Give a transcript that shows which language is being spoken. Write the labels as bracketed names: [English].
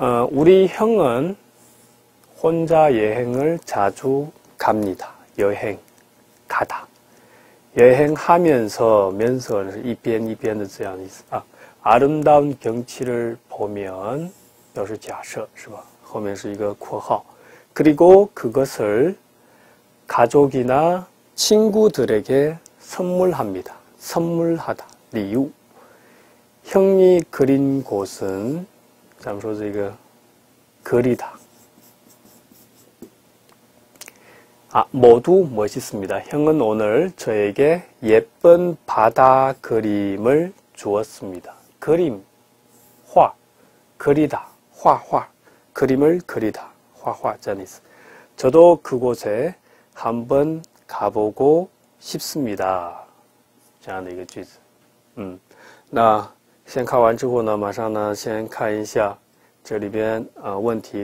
[Korean] 우리형은혼자여행을자주갑니다。 여행，가다。 [Chinese] 여행하면서，면서是一边一边的这样的意思啊。 [Korean] 아름다운 경치를 보면 [Chinese] 表示假设是吧？后面是一个括号。 [Korean] 그리고 그것을 가족이나 친구들에게 선물합니다. 선물하다 [Chinese] 礼物。 [Korean] 형이 그린 곳은 [Chinese] 咱们说这个 [Korean] 그리다。 아모두멋있습니다。 형은오늘저에게예쁜 바다 그림을 주었습니다。 [Chinese] 그림，画，그리다，画画， [Korean] 그림을그리다， [Chinese] 画画，这样的意思。 [Korean] 저도그곳에한번가보고싶습니다， [Chinese] 这样的一个句子。那先看完之后呢，马上呢先看一下这里边问题。